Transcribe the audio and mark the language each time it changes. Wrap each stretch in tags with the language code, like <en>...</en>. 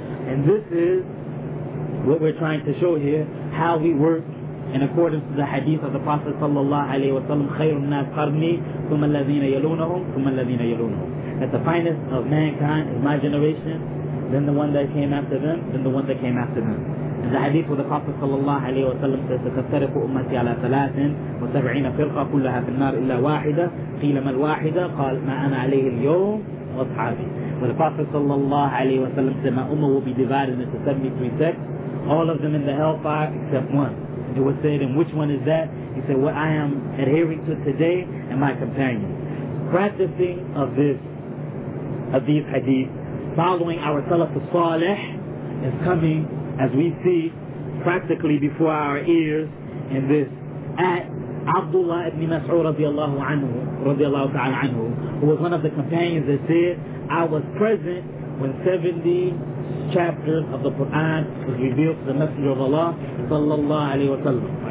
<en>And this is what we're trying to show here, how we work in accordance to the hadith of the Prophet sallallahu alayhi wa sallam,</en> <ar>خَيْرٌ نَاسْ قَرْنِي ثُمَ الَّذِينَ يَلُونَهُمْ ثُمَ الَّذِينَ يَلُونَهُمْ.</ar> <en>That the finest of mankind is my generation, then the one that came after them, then the one that came after them. And the hadith of the Prophet sallallahu alayhi wa sallam says,</en> <ar>تَتَفْتَرِقُ أُمَّتِي عَلَى ثَلَاثٍ وَسَبْعِينَ فِرْقَةٍ كُلَّهَا فِي النَّارِ إِلَّا وَاحِدَةً قِيلَ مَا الْوَاحِدَةُ قَالَ مَا أَنَا عَلَيْهِ الْيَوْمَ وَأَصْحَابِي.</ar> <en>When the Prophet sallallahu alayhi wa sallam said, my ummah will be divided into 73 sects, all of them in the hellfire except one. It was said, and which one is that? He said, what I am adhering to today and my companions. Practicing of this, of these hadith, following our Salaf al-Saleh is coming, as we see, practically before our ears in this, at Abdullah ibn Mas'ud radiallahu anhu, radiallahu ta'ala anhu, who was one of the companions that said, I was present when 70 chapters of the Quran was revealed to the Messenger of Allah sallallahu alayhi wa sallam.</en>